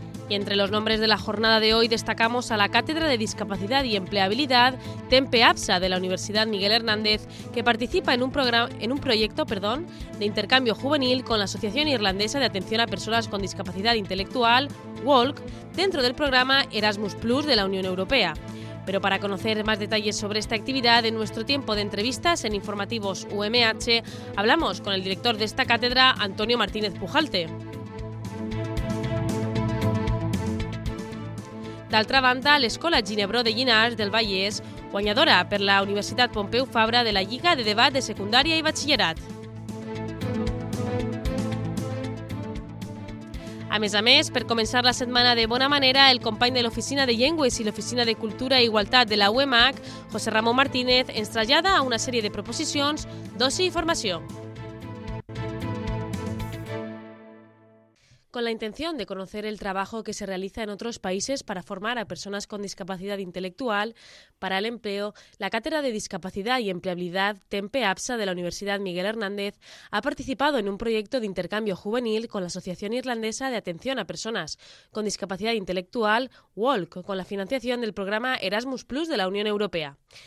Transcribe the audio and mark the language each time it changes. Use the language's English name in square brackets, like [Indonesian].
[Spanish] Y entre los nombres de la jornada de hoy destacamos a la Cátedra de Discapacidad y Empleabilidad Tempe APSA de la Universidad Miguel Hernández, que participa en un proyecto de intercambio juvenil con la Asociación Irlandesa de Atención a Personas con Discapacidad Intelectual, WALK, dentro del programa Erasmus Plus de la Unión Europea. Pero para conocer más detalles sobre esta actividad, en nuestro tiempo de entrevistas en Informativos UMH, hablamos con el director de esta cátedra, Antonio Martínez Pujalte. [Catalan] D'altra banda, l'Escola Ginebró de Llinars del Vallès, guanyadora per la Universitat Pompeu Fabra de la Lliga de Debat de Secundària i Batxillerat. A més, per començar la setmana de bona manera, el company de l'Oficina de Llengües i l'Oficina de Cultura i Igualtat de la UMH, José Ramón Martínez, ens trasllada a una sèrie de proposicions, dosi i formació. [Spanish] Con la intención de conocer el trabajo que se realiza en otros países para formar a personas con discapacidad intelectual para el empleo, la Cátedra de Discapacidad y Empleabilidad Tempe APSA de la Universidad Miguel Hernández ha participado en un proyecto de intercambio juvenil con la Asociación Irlandesa de Atención a Personas con Discapacidad Intelectual, WALK, con la financiación del programa Erasmus Plus de la Unión Europea.